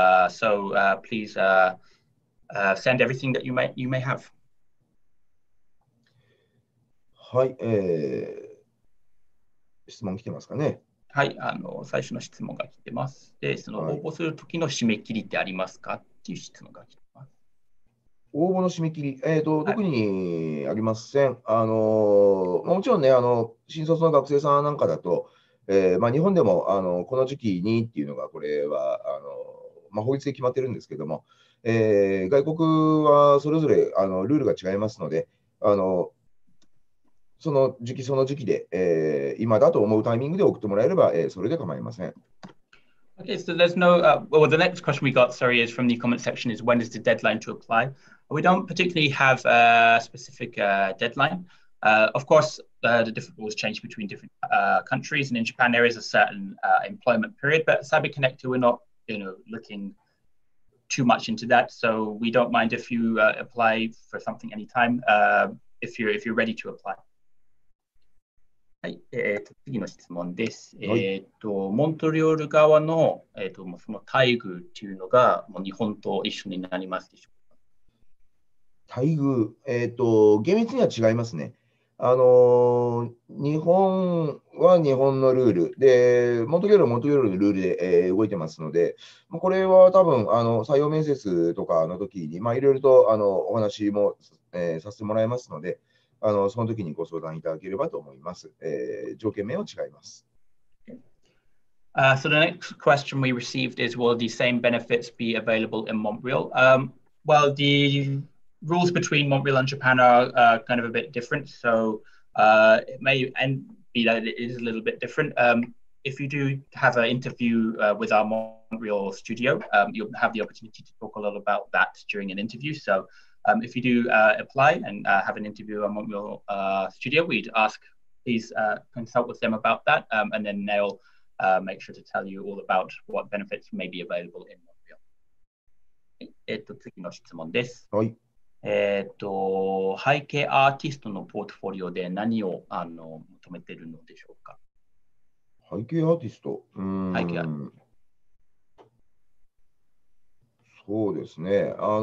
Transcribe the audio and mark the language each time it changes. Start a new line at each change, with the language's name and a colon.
English: So please send everything that you may have.
Japanese: はい、質問来てますかね。はい、最初の質問が来てます。で、その応募するときの締め切りってありますかっていう質問が来てます。応募の締め切り、特にありません。もちろんね、新卒の学生さんなんかだと、まあ、日本でもこの時期にっていうのが、これは法律で決まってるんですけども、外国はそれぞれルールが違いますので、その時期その時期で、今だと思うタイミングで送ってもらえれば、それで構いません。
English: Okay, so there's no, well, the next question we got, sorry, is from the comment section is when is the deadline to apply? We don't particularly have a specific deadline. Of course, the different rules change between different countries, and in Japan, there is a certain employment period, but Cyber Connector, we're not, looking too much into that. So we don't mind if you apply for something anytime, if you're ready to apply.
Japanese: はい、次の質問です。モントリオール側の、その待遇というのがもう日本と一緒になりますでしょうか。待遇、厳密には違いますね。日本は日本のルールで、モントリオールはモントリオールのルールで、動いてますので、これは多分採用面接とかの時に、まあ、いろいろとお話も、させてもらいますので。その時にご相談いただければと思います。条件面は違います。
English: So the next question we received is, will the same benefits be available in Montreal? Well, the rules between Montreal and Japan are kind of a bit different, so it may end be that it is a little bit different. If you do have an interview with our Montreal studio, you'll have the opportunity to talk a lot about that during an interview. So. If you do apply and have an interview among your studio, we'd ask, please consult with them about that, and then they'll make sure to tell you all about what benefits may be available in Montreal.
Japanese: 次の質問です。はい。背景アーティストのポートフォリオで何を求めているのでしょうか。背景アーティスト。背景アーティスト。そうですね。